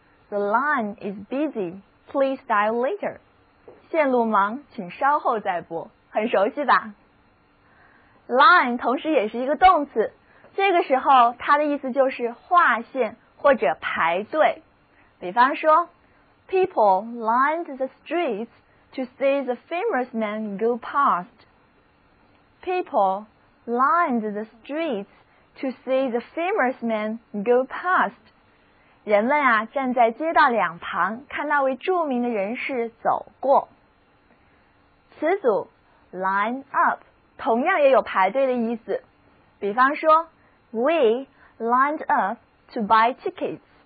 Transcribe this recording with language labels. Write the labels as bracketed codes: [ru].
[en] The line is busy, please dial later. [zh] 线路忙，请稍后再拨，很熟悉吧？ Line 同时也是一个动词，这个时候它的意思就是划线或者排队。比方说 [en] People lined the streets to see the famous man go past. People lined the streets to see the famous man go past. [zh] 人们啊，站在街道两旁，看那位著名的人士走过。词组 line up 同样也有排队的意思。比方说 [en] ，We lined up to buy tickets.